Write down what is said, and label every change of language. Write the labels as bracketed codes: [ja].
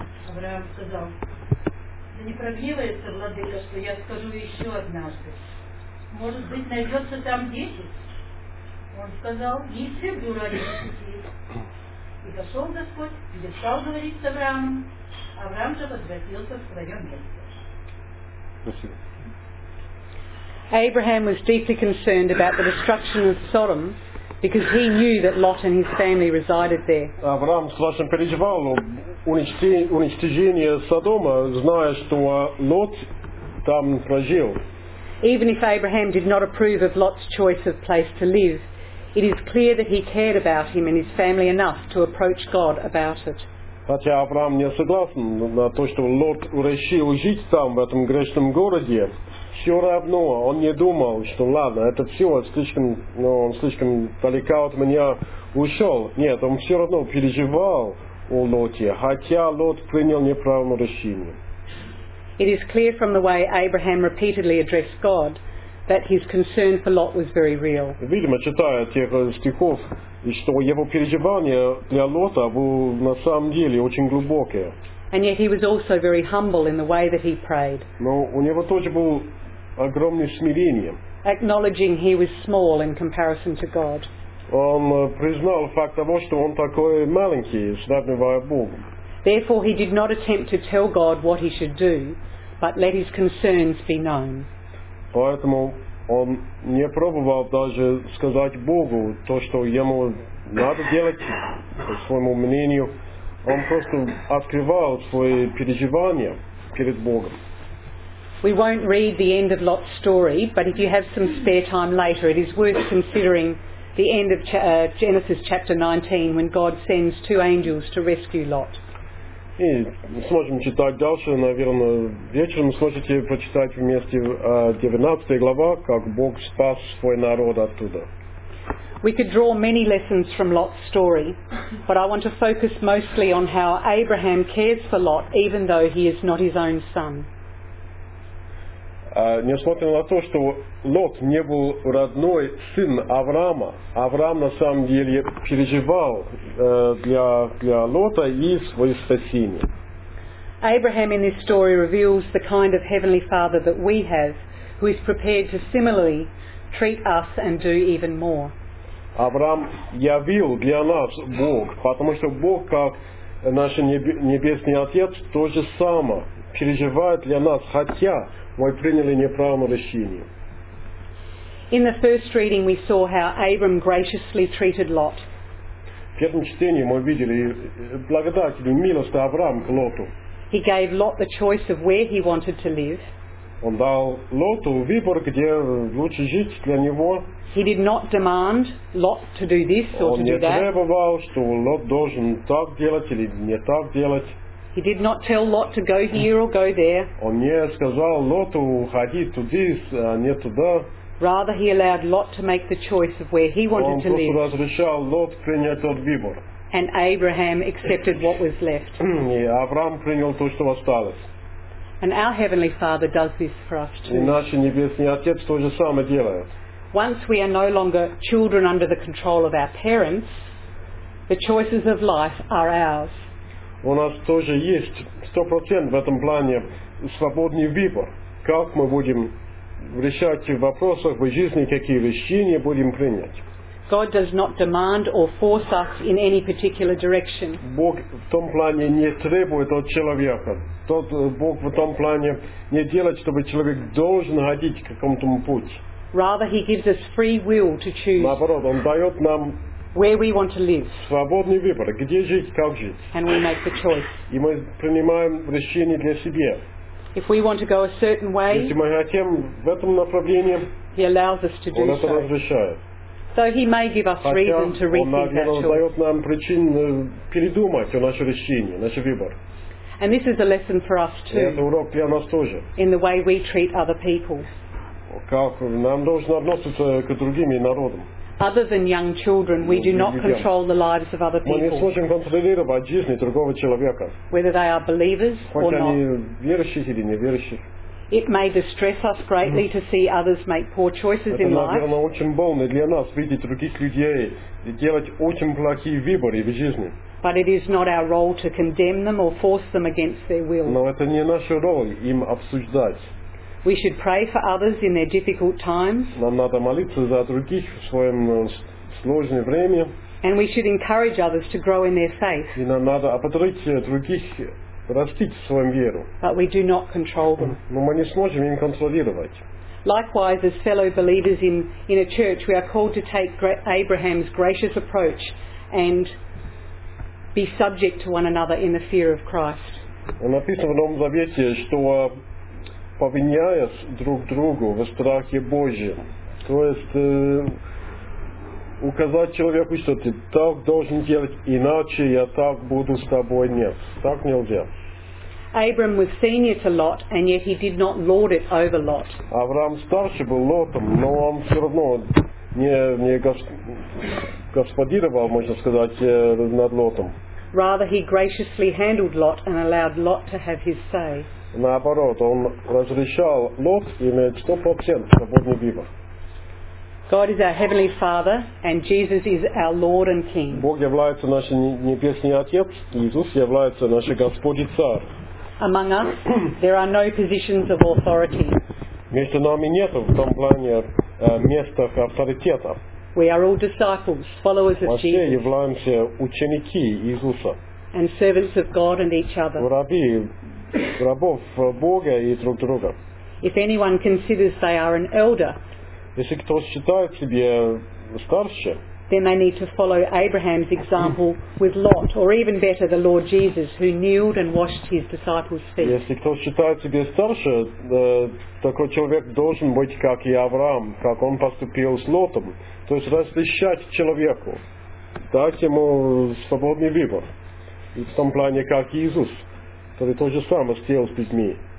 [ru] Авраам сказал: «Да не прогневается владыка, что я скажу еще однажды. Может быть, найдется там 10? Он сказал: «Не истреблю ради 20». И пошел Господь, где стал говорить с Авраамом. Авраам же возвратился в свое место. [en] Abraham was deeply concerned about the destruction of Sodom because he knew that Lot and his family resided there. [ru] Авраам страшно переживал уничтожение Содома, зная, что Лот там прожил. [en] Even if Abraham did not approve of Lot's choice of place to live, it is clear that he cared about him and his family enough to approach God about it. [ru] Хотя Авраам не согласен на то, что Лот решил жить там, в этом грешном городе, все равно он не думал, что ладно, это все, слишком, ну, он слишком далеко от меня ушел. Нет, он все равно переживал о Лоте, хотя Лот принял неправильное решение. [en] It is clear from the way Abraham repeatedly addressed God that his concern for Lot was very real. [ru] Видимо, читая тех стихов, что его переживание для Лота было на самом деле очень глубокое. [en] And yet he was also very humble in the way that he prayed. [ru] Но у него тоже было огромное смирение. [en] Acknowledging he was small in comparison to God. [ru] Он признал факт того, что он такой маленький, сравнивая Бога. [en] Therefore he did not attempt to tell God what he should do, but let his concerns be known. [ru] Поэтому он не пробовал даже сказать Богу то, что ему надо делать, по своему мнению. Он просто открывал свои переживания перед Богом. [en] We won't read the end of Lot's story, but if you have some spare time later, it is worth considering the end of Genesis chapter 19, when God sends two angels to rescue Lot. [ru] И сможем читать дальше, наверное, вечером сможете прочитать вместе 19 глава, как Бог спас свой народ оттуда. [en] We could draw many lessons from Lot's story, but I want to focus mostly on how Abraham cares for Lot, even though he is not his own son. [ru] Несмотря на то, что Лот не был родной сын Авраама, Авраам на самом деле переживал для Лота и свои спасения. [en] Abraham in this story reveals the kind of heavenly father that we have, who is prepared to similarly treat us and do even more. [ru] Авраам явил для нас Бог, потому что Бог, как наш небесный Отец, то же самое переживает для нас, хотя мы приняли неправильное решение. [en] In the first reading we saw how Abram graciously treated Lot. [ru] В первом чтении мы видели благодать и милость Авраам к Лоту. [en] He gave Lot the choice of where he wanted to live. [ru] Он дал Лоту выбор, где лучше жить для него. [en] He did not demand Lot to do this or to do that. [ru] Он не требовал, что Лот должен так делать или не так делать. [en] He did not tell Lot to go here or go there. [ru] Он не сказал Лоту ходи туда, а не туда. [en] Rather, he allowed Lot to make the choice of where he wanted to live. [ru] Он просто разрешал Лоту принять тот выбор. [en] And Abraham accepted what was left. [ru] И Авраам принял то, что осталось. [en] And our Heavenly Father does this for us too. [ru] И наш Небесный Отец то же самое делает. [en] Once we are no longer children under the control of our parents, the choices of life are ours. [ru] У нас тоже есть 100% в этом плане свободный выбор, как мы будем решать в вопросах в жизни, какие решения будем принять. [en] God does not demand or force us in any particular direction. [ru] Бог в том плане не требует от человека. Тот Бог в том плане не делает, чтобы человек должен ходить к какому-то пути. [en] Rather, he gives us free will to choose. [ru] Наоборот, он дает нам [en] where we want to live. [ru] Свободный выбор, где жить, как жить. [en] And we make the choice. [ru] И мы принимаем решение для себя. [en] If we want to go a certain way, [ru] если мы хотим в этом направлении, [en] he allows us to do so. [ru] Он это разрешает. [en] So he may give us reason to rethink that choice. [ru] Он, наверное, дает нам причину передумать о нашем решении, наш выбор. [en] And this is a lesson for us too. [ru] И это урок для нас тоже. [en] In the way we treat other people. [ru] Как нам должно относиться к другим народам. [en] Other than young children, we do not control the lives of other people. [ru] Мы не сможем контролировать жизнь другого человека. [en] Whether they are believers or not. [ru] Хоть они верующие или неверующие. [en] It may distress us greatly to see others make poor choices in life. [ru] Это, наверное, очень больно для нас видеть других людей и делать очень плохие выборы в жизни. [en] But it is not our role to condemn them or force them against their will. [ru] Но это не наша роль им обсуждать. [en] We should pray for others in their difficult times. [ru] Нам надо молиться за других в своем сложное время. [en] And we should encourage others to grow in their faith. [ru] И нам надо ободрить других растить в своем веру. [en] But we do not control them. [ru] Но мы не сможем им контролировать. [en] Likewise, as fellow believers in a church, we are called to take Abraham's gracious approach and be subject to one another in the fear of Christ. [ru] Написано в Новом Завете, что повиняясь друг другу во страхе Божьем. То есть указать человеку, что ты так должен делать, иначе я так буду с тобой. Нет, так нельзя. [en] Abram was senior to Lot, and yet he did not lord it over Lot. [ru] Авраам старше был Лотом, но он все равно не господировал, можно сказать, над Лотом. [en] Rather, he graciously handled Lot and allowed Lot to have his say. [ru] Наоборот, он разрешал Лот иметь 100% свободный выбор. [en] God is our heavenly Father, and Jesus is our Lord and King. [ru] Бог является нашим небесный отец, Иисус является нашим Господь и Царь. [en] Among us, there are no positions of authority. [ru] Между нами нет в том плане места авторитета. [en] We are all disciples, followers of Jesus. [ru] Мы являемся ученики Иисуса. [en] And servants of God and each other. [ru] Раби, рабов Бога и друг друга. [en] If anyone considers they are an elder, [ru] если кто считает себя старше, [en] then they need to follow Abraham's example with Lot, or even better, the Lord Jesus, who kneeled and washed his disciples' feet. [ru] Если кто считает себя старше, такой человек должен быть как и Авраам, как он поступил с Лотом, то есть разрешать человеку, дать ему свободный выбор. И в том плане, как Иисус, который то же самое сделал с людьми.